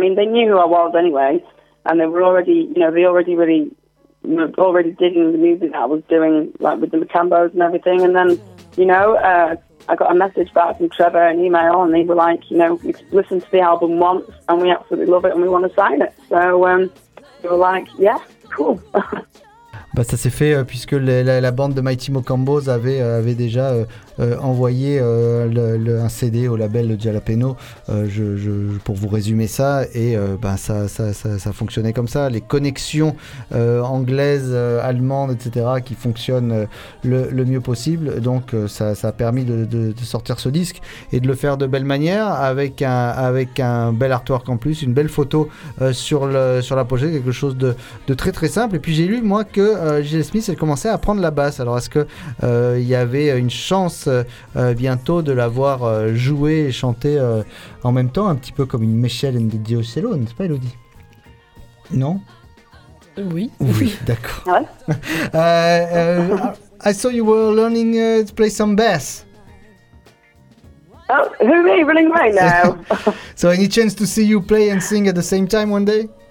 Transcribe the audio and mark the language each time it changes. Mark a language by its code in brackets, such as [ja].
[en] I mean, they knew who I was anyway, and they were already, you know, they were already digging the music that I was doing, like with the Macambos and everything. And then, you know, I got a message back from Trevor, an email, and they were like, you know, we listened to the album once, and we absolutely love it, and we want to sign it. So they were like, yeah, cool. [fr] Bah ça s'est fait puisque la bande de Mighty Mocambos avait déjà envoyé un CD au label de Jalapeno, pour vous résumer ça, et ça fonctionnait comme ça, les connexions anglaises, allemandes, etc. qui fonctionnent le mieux possible, donc ça a permis de sortir ce disque et de le faire de belle manière, avec un bel artwork en plus, une belle photo sur la pochette, quelque chose de très très simple. Et puis j'ai lu moi que Gisèle Smith, elle commençait à apprendre la basse, alors est-ce que il y avait une chance bientôt de la voir jouer et chanter en même temps, un petit peu comme une Michelle and the Diocello, n'est-ce pas, Elodie? Non? Oui. Oui, d'accord. [en] I saw you were learning to play some bass. Oh, who me? Running right now. So any chance to see you play and sing at the same time one day?